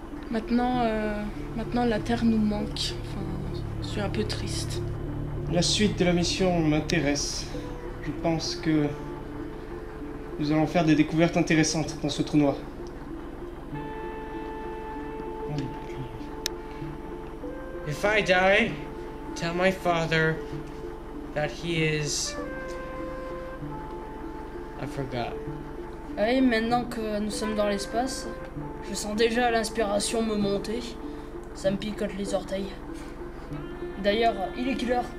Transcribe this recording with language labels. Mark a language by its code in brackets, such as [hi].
[fr] Maintenant la Terre nous manque. Enfin, je suis un peu triste. La suite de la mission m'intéresse. Je pense que nous allons faire des découvertes intéressantes dans ce trou noir. [en] If I die, tell my father that he is... I forgot. [fr] Oui, maintenant que nous sommes dans l'espace, je sens déjà l'inspiration me monter. Ça me picote les orteils. D'ailleurs, il est quelle heure?